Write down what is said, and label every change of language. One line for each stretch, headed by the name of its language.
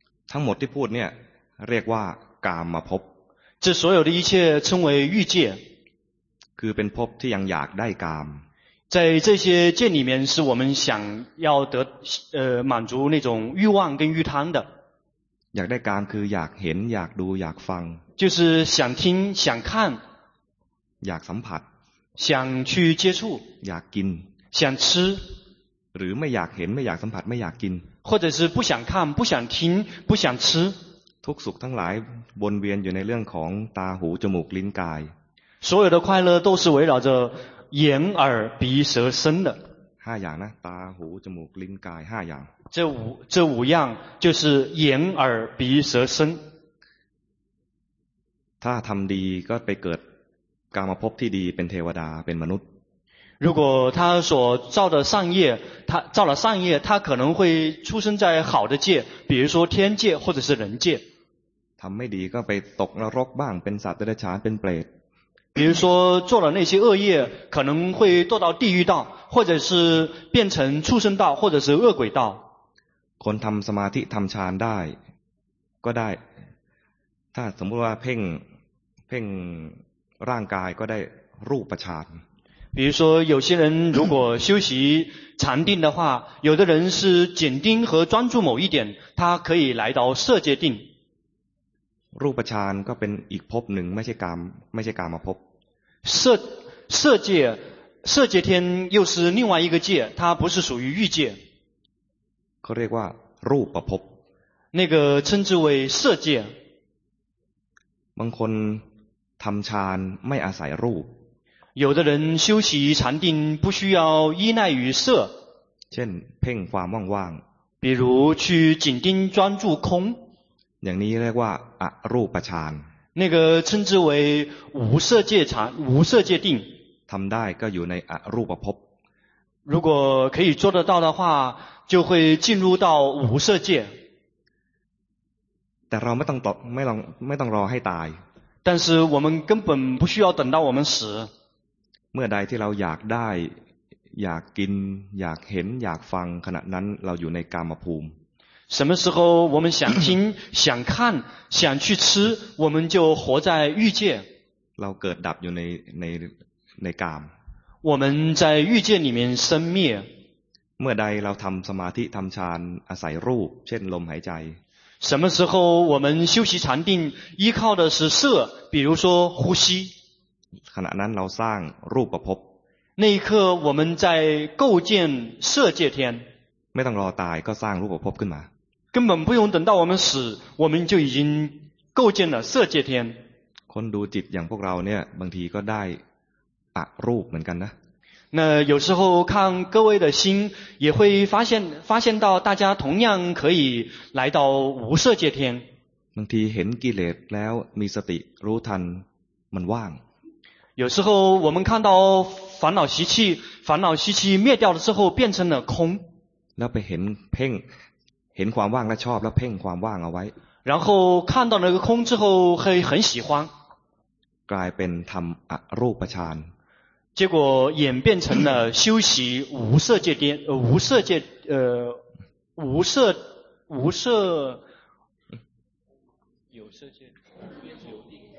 Thai: ทั้งหมดที่พูดเนี่ยเรียกว่ากามภพ
Chinese: 这所有的一切称为欲界
Thai: คือเป็นภพที่ยังอยากได้กาม
Chinese: 在这些界里面是我们想要得满足那种欲望跟欲贪的
Thai: อยากได้กามคืออยากเห็นอยากดูอยากฟัง
Chinese: 就是想听想看
Thai: อยากสัมผัส
Chinese: 想去接触
Thai: อยากกิน
Chinese: 想吃
Thai: หรือไม่อยากเห็นไม่อยากสัมผัสไม่อยากกิน
Chinese: 或者是不想看不想听不想吃
Thai: ทุกสุขทั้งหลายวนเวียนอยู่ในเรื่องของตาหูจมูกลิ้นกาย
Chinese: 所有的快乐都是围绕着眼耳鼻舌身的
Thai: 5อย่างนะตาหูจมูกลิ้นกาย5อย่าง
Chinese: 这五样就是眼耳鼻舌身
Thai: ถ้าทำดีก็ไปเกิดกามภพที่ดีเป็นเทวดาเป็นมนุษย์
Chinese: 如果他所造的善业他造了善业他可能会出生在好的界比如说天界或者是人界
Thai: ทำไม่ดีก็ไปตกนรกบ้างเป็นสัตว์เดรัจฉานเป็นเปรต
Chinese: 比如说做了那些恶业可能会堕到地狱道或者是变成畜生道或者是恶鬼道
Thai: คนทำสมาธิทำฌานได้ก็ได้ถ้าสมมติว่าเพ่งร่างกายก็ได้รูปฌาน
Chinese: 比如说有些人如果修习禅定的话有的人是紧盯和专注某一点他可以来到色界定
Thai: รูปฌานก็เป็นอีกภพหนึ่งไม่ใช่กามภพ
Chinese: 色界天又是另外一个界它不是属于欲界
Thai: เขาเรียกว่ารูปภพ
Chinese: 那个称之为色界
Thai: บางคนทำฌานไม่อาศัยรูป
Chinese: 有的人修习禅定不需要依赖于色
Thai: เช่นเพ่งความว่าง
Chinese: ๆ比如去紧盯专注空
Thai: อย่างนี้เรียกว่าอรูปฌาน
Chinese: 那个称之为无色界禅无色界定
Thai: ทำได้ก็อยู่ในอรูปภพ
Chinese: 如果可以做得到的话就会进入到无色界
Thai: แต่เราไม่ต้องรอให้ตาย
Chinese: 但是我们根本不需要等到我们死
Thai: เมื่อใดที่เราอยากได้อยากกินอยากเห็นอยากฟังขณะนั้นเราอยู่ในกามภูมิ
Chinese: 什么时候我们想听想看想去吃我们就活在欲界
Thai: เราเกิดดับอยู่ในกาม
Chinese: 我们在欲界里面生灭
Thai: เมื่อใดเราทำสมาธิทำฌานอาศัยรูปเช่นลมหายใจ
Chinese: 什么时候我们修习禅定依靠的是色比如说呼吸
Thai: ขณะนั้นเราสร้างรูปภพ
Chinese: 那一刻我们在构建色界天
Thai: ไม่ต้องรอตายก็สร้างรูปภพขึ้นมา
Chinese: 根本不用等到我们死我们就已经构建了色界天
Thai: คนดูจิตอย่างพวกเราเนี่ยบางทีก็ได้อรูปเหมือนกันนะ
Chinese: 那有时候看各位的心也会发现到大家同样可以来到无色界天
Thai: บางทีเห็นกิเลสแล้วมีสติรู้ทันมันว่าง
Chinese: 有时候我们看到烦恼习气，烦恼习气灭掉了之后变成了空。
Thai: แล้วไปเห็นเพ่งเห็นความว่างและชอบแล้วเพ่งความว่างเอาไว้。
Chinese: 然后看到那个空之后会很喜欢。
Thai: กลายเป็นทำรูปฌาน。
Chinese: 结果演变成了修习无色界颠无色界无色无色有色界。